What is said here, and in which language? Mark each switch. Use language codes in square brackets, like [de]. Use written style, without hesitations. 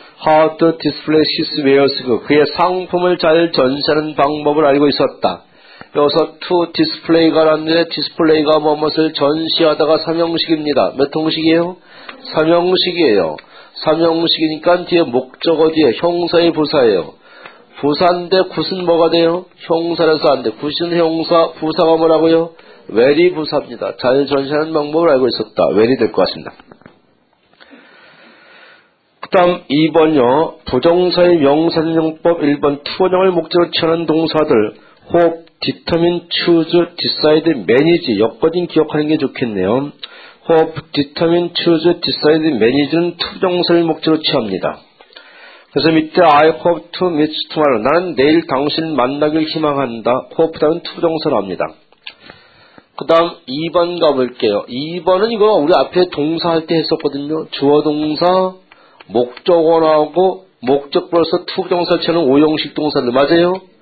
[en] How to display his wares. [ko] 그의 상품을 잘 전시하는 방법을 알고 있었다. 여기서 to display가 라는데 display가 무엇을 전시하다가 3형식입니다. 몇 형식이에요? 3형식이에요. 3형식이니까 뒤에 목적어 뒤에 형사의 부사예요. 부사인데 굿은 뭐가 돼요? 형사라서 안 돼. 굿은 형사, 부사가 뭐라고요? 웰이 부사입니다. 잘 전시하는 방법을 알고 있었다. 웰이 될 것 같습니다. 그 다음 2번요. 부정사의 명사등용법 1번 투원형을 목적으로 취하는 동사들 혹 determine, choose, decide, manage 여건인 기억하는 게 좋겠네요. hope, determine, choose, decide, manage는 투정사를 목적으로 취합니다. 그래서 밑에 [en] I hope to meet tomorrow. [ko] 나는 내일 당신을 만나길 희망한다. hope 다음 투정사로 합니다. 그 다음 2번 가볼게요. 2번은 이거 우리 앞에 동사할 때 했었거든요. 주어동사, 목적어라고 목적으로서 투정사를 취하는 5형식 동사들 맞아요?